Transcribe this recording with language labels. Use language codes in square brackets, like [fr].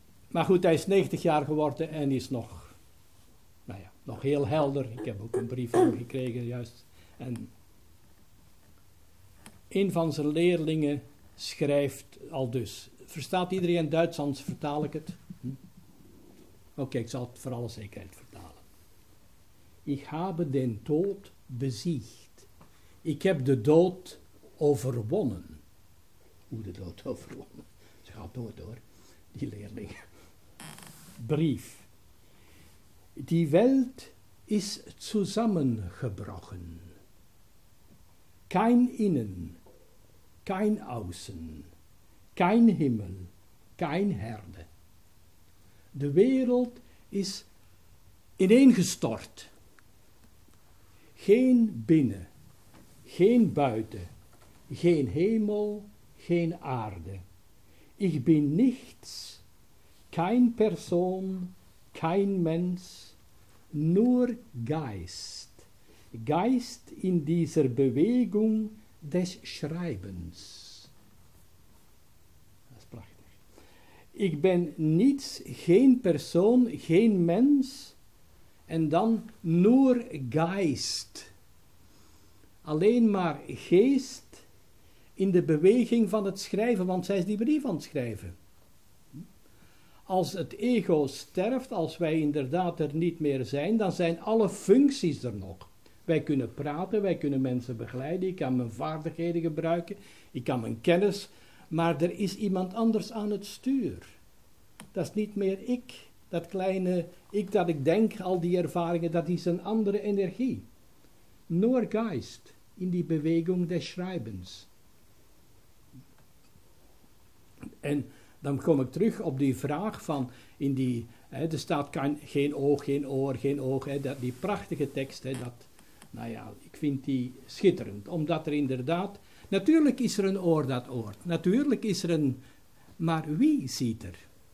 [nl] Maar goed, hij is 90 jaar geworden en is nog, nou ja, nog heel helder. Ik heb ook een brief van hem gekregen juist. En een van zijn leerlingen schrijft al dus. Verstaat iedereen Duits, anders vertaal ik het. Oké, ik zal het voor alle zekerheid vertalen. [de] Ich habe den Tod besiegt. [nl] Ik heb de dood overwonnen. Hoe de dood overwonnen. Ze gaat dood hoor, die leerling. Brief. [de] Die welt [nl] is samengebroken. [de] Kein innen, kein außen, kein himmel, kein herde. [nl] De wereld is ineengestort. Geen binnen, geen buiten, geen hemel, geen aarde. Ik ben niets, [de] kein persoon, kein mens, nur geist. Geist in dieser Bewegung des Schreibens. [nl] Dat is prachtig. Ik ben niets, geen persoon, geen mens, en dan [de] nur geist. [nl] Alleen maar geest in de beweging van het schrijven, want zij is die brief aan het schrijven. Als het ego sterft, als wij inderdaad er niet meer zijn, dan zijn alle functies er nog. Wij kunnen praten, wij kunnen mensen begeleiden, ik kan mijn vaardigheden gebruiken, ik kan mijn kennis, maar er is iemand anders aan het stuur. Dat is niet meer ik, dat kleine ik dat ik denk, al die ervaringen, dat is een andere energie. [de] Nur Geist, in die beweging des Schreibens. [nl] En dan kom ik terug op die vraag van in die, hè, er staat geen oog, geen oor, geen oog, hè, dat, die prachtige tekst, hè, dat, nou ja, ik vind die schitterend, omdat er inderdaad, natuurlijk is er een oor dat oort, natuurlijk is er een, maar wie ziet er?